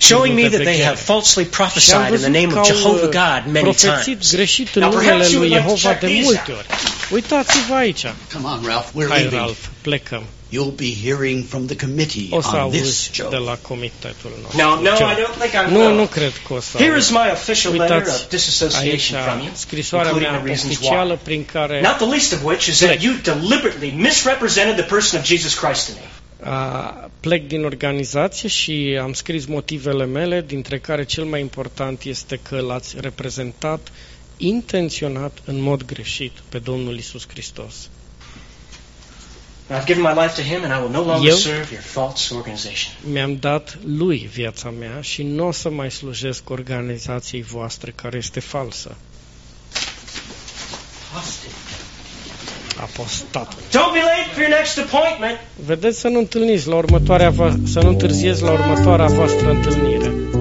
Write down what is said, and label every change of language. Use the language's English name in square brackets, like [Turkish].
[English] Showing me that they have falsely prophesied in the name of Jehovah God many times. [Romanian] Profețit greșit în numele lui Jehova de multe ori. Uitați-vă aici. [English] Come on, Ralph, we're [Romanian] Hai, [English] leaving. [Romanian] Ralph, plecăm. [English] You'll be hearing from the committee on this, Joe. [Romanian] De la comitetul nostru. [English] No, no, I don't think I will. [Romanian] Nu, nu cred că o să. [English] Here is my official letter of disassociation from you. [Romanian] Scrisoarea mea oficială prin care. [English] Not the least of which is that you deliberately misrepresented the person of Jesus Christ to me. [Romanian] Plec din organizație și am scris motivele mele, dintre care cel mai important este că l-ați reprezentat intenționat în mod greșit pe Domnul Iisus Hristos. [English] I've given my life to him and I will no longer serve your false organization. [Romanian] Mi-am dat lui viața mea și nu o să mai slujesc organizației voastre care este falsă. Apostat. [English] Don't be late for your next appointment. [Romanian] Vedeți să nu întâlniți la următoarea voastră, să nu întârzieți la următoarea voastră întâlnire.